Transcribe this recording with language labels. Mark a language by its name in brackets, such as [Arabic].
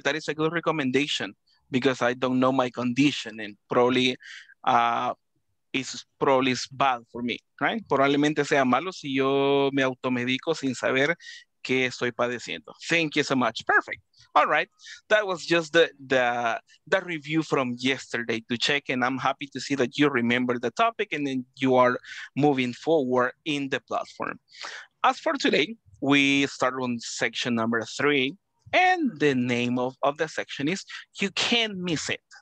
[English] That is a good recommendation because I don't know my condition and probably... It's probably bad for me, right? [Spanish] Probablemente sea malo si yo me automedico sin saber qué estoy padeciendo. [English] Thank you so much. Perfect. All right. That was just the review from yesterday to check, and I'm happy to see that you remember the topic and then you are moving forward in the platform. As for today, we start on section number 3, and the name of the section is You Can't Miss It.